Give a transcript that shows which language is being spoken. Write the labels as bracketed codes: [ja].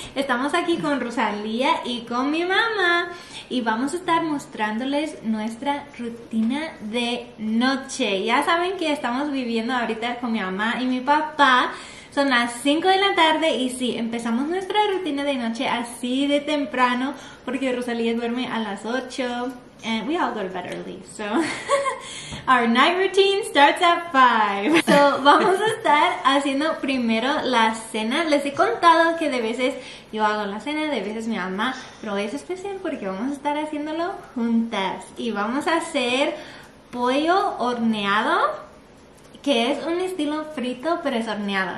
[es] Estamos aquí con Rosalía y con mi mamá y vamos a estar mostrándoles nuestra rutina de noche. Ya saben que estamos viviendo ahorita con mi mamá y mi papá. Son las 5 de la tarde y sí, empezamos nuestra rutina de noche así de temprano porque Rosalía duerme a las 8. [en] And we all go to bed early, so our night routine starts at 5. [es] So vamos a estar haciendo primero la cena. Les he contado que de veces yo hago la cena, de veces mi mamá, pero es especial porque vamos a estar haciéndolo juntas. Y vamos a hacer pollo horneado, que es un estilo frito, pero es horneado.